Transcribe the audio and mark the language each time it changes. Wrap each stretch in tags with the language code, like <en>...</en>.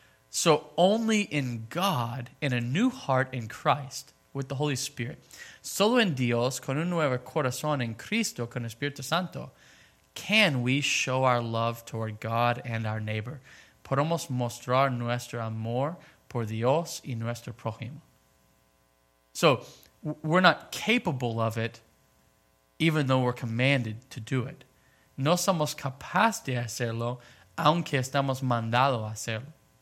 <en>So only in God, in a new heart in Christ, with the Holy Spirit,</en> <es>solo en Dios, con un nuevo corazón en Cristo, con el Espíritu Santo,</es> <en>can we show our love toward God and our neighbor.</en> <es>Podemos mostrar nuestro amor por Dios y nuestro prójimo.</es> <en>So we're not capable of it, even though we're commanded to do it.</en> <es>No somos capaces de hacerlo, aunque estamos mandados a hacerlo.</es>